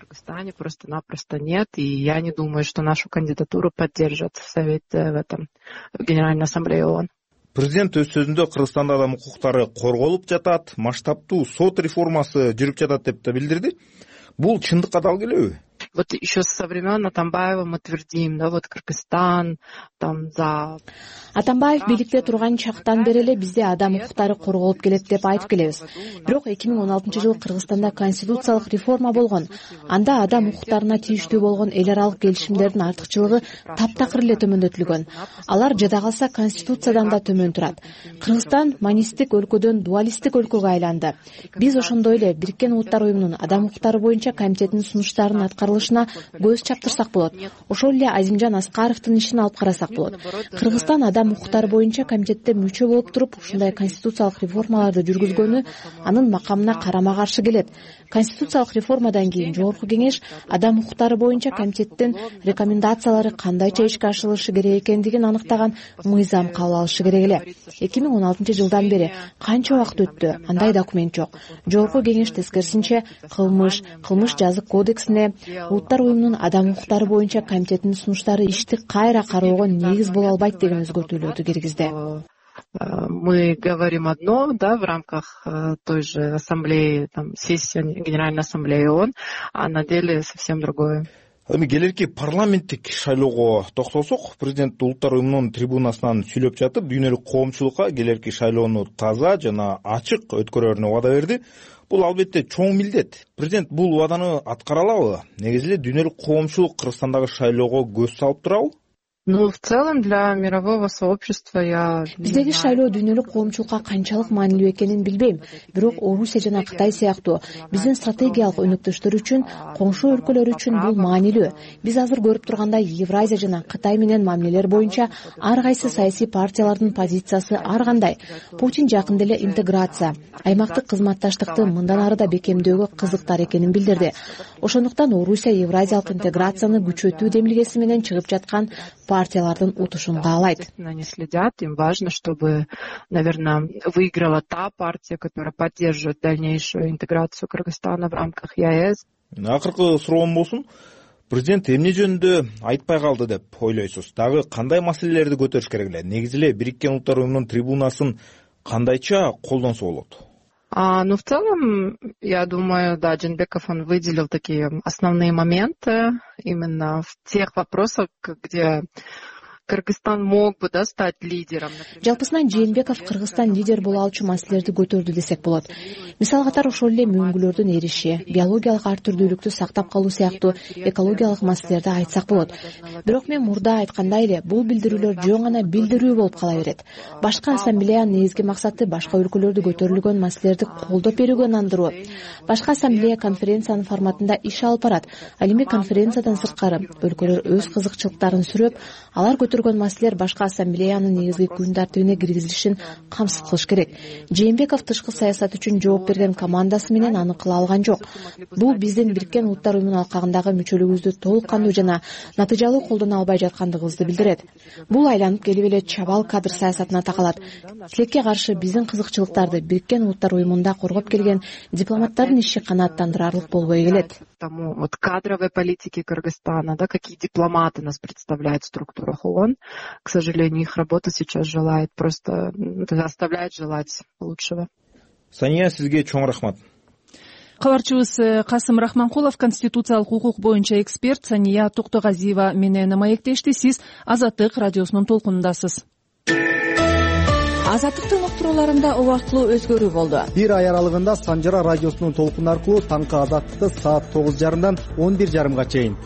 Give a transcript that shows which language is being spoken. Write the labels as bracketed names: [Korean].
[Russian] Станет просто-напросто нет, и я не думаю, что нашу кандидатуру поддержат совет в этом в Генеральной Ассамблее ООН. [Kyrgyz] Президент өз сөзүндө Кыргызстанда адам укуктары корголуп жатат, масштабтуу сот реформасы жүрүп жатат деп да билдирди. Бул чындыкка дал келеби? [Russian] Вот еще со времен Атамбаева мы твердим, да, вот Кыргызстан, там, за... [Kyrgyz] Атамбаев бийликте турган чактан бери эле бизде адам укуктары корголуп келет деп айтып келебиз. Бирок 2016-жылы Кыргызстанда конституциялык реформа болгон. Анда адам укуктарына тийиштүү болгон эл аралык келишимдердин артыкчылыгы таптакыр эле төмөндөтүлгөн. Алар жада калса конституциядан да төмөн турат. Кыргызстан монистик өлкөдөн дуалистик өлкөгө айланды. Биз ошондой эле Бириккен Улуттар Уюмунун адам укуктары боюнча комитетинин сунуштарын аткарылышына көз чаптырсак болот. Ошол эле Азимжан Аскаровдун ишин алып карасак болот. Кыргызстан адам укуктары боюнча комитетте мүчө болуп туруп, ушундай конституциялык реформаларды жүргүзгөнү анын макамына карама каршы келет. Конституциялык реформадан кийин Жогорку Кеңеш адам укуктары боюнча комитеттин рекомендациялары кандайча ишке ашырылышы керек экендигин аныктаган мыйзам кабыл алышы керек эле. 2016-жылдан бери канча убакыт өттү, андай документ жок. Жогорку Кеңеш тескерисинче кылмыш жазык кодексине, Улуттар уюмунун адам укуктары боюнча комитетинин сунуштары ишти кайра кароого негиз боло албайт деген өзгөртүүлөрдү киргизди. [Russian] Мы говорим одно, да, в рамках той же ассамблеи, там, сессии Генеральной ассамблеи ООН, а на деле совсем другое. [Kyrgyz] Эми келерки парламенттик шайлоого токтолсок, президент улуттар уюмунун трибунасынан сүйлөп жатып, дүйнөлүк коомчулукка келерки шайлоону таза жана ачык өткөрөрүнө убада берди. Бул албетте чоң милдет. Президент бул убаданы аткара алабы? Негизи эле дүйнөлүк коомчулук Кыргызстандагы шайлоого көз салып турабы? [Russian] Ну, в целом, для мирового сообщества я... [Kyrgyz] Биздеги шайлоо дүйнөлүк коомчулукка канчалык маанилүү экенин билбейм. Бирок Орусия жана Кытай сыяктуу биздин стратегиялык өнөктөштөр үчүн, коңшу өлкөлөр үчүн бул маанилүү. Биз азыр көрүп тургандай Евразия жана Кытай менен мамилелер боюнча ар кайсы саясий партиялардын позициясы ар кандай. Путин жакында эле интеграция, аймактык кызматташтыкты мындан ары да бекемдөөгө кызыктар экенин билдирди. Ошондуктан Орусия евразиялык интеграцияны күчөтүү демилгеси менен чыгып жаткан партиялардын утушун каалайт. [Russian] Они следят, им важно, чтобы, наверное, выиграла та партия, которая поддержит дальнейшую интеграцию Кыргызстана в рамках ЕС. [Kyrgyz] Акыркы суроом болсун, президент эмне жөнүндө айтпай калды деп ойлойсуз? Дагы кандай маселелерди көтөрүш керек эле? Негизи эле Бириккен Улуттар Уюмунун трибунасын кандайча колдонсо болот? [Russian] Ну, в целом, я думаю, да, Жээнбеков, он выделил такие основные моменты именно в тех вопросах, где Кыргызстан мог бы, да, стать лидером. [Kyrgyz] Жалпысынан Жээнбеков Кыргызстан лидер боло алчу маселелерди көтөрдү десек болот. Мисал катар ошол эле мүмкүнчүлүктөрдүн эриши, биологиялык ар түрдүүлүктү сактап калуу сыяктуу экологиялык маселелерди айтсак болот. Бирок мен мурда айткандай эле бул билдирүүлөр жөн гана билдирүү болуп кала берет. Башка ассамблеянын негизги максаты башка өлкөлөрдө көтөрүлгөн маселелерди колдоп берүүгө ынандыруу. Башка ассамблея конференциянын форматында иш алып барат. Ал эми конференциядан сырткары өлкөлөр өз кызыкчылыктарын сүрөп, алар көтөргөн маселелер башка ассамблеянын негизги күн тартибине киргизилишин камсыз кылыш керек. Жээнбеков тышкы саясат үчүн жооп берген командасы менен аны кыла алган жок. Бул биздин Бириккен Улуттар Уюмунун алкагындагы мүчөлүгүбүздү толук кандуу жана натыйжалуу колдоно албай жаткандыгыбызды билдирет. Бул айланып келип эле чабал кадр саясатына такалат. Тилекке каршы биздин кызыкчылыктарды Бириккен Улуттар Уюмунда коргоп келген дипломаттардын иши канааттандырарлык болбой келет. [Russian] Тому вот кадровой политики Кыргызстана, да, какие дипломаты нас представляют в структурах ООН. К сожалению, их работа сейчас желает просто оставляет желать лучшего. [Kyrgyz] Сания, сизге чоң рахмат. Кабарчыбыз Касым Рахманкулов, конституциялык укук боюнча эксперт, Сания Токтогазиева менен маектешти. Сиз Азаттык радиосунун толкунундасыз. Азаттыктын уктурууларында убактылуу өзгөрүү болду. Бир ай аралыгында Санжара радиосунун толкундар аркылуу таңкы азаттыкты саат 9:30 11:30 чейин.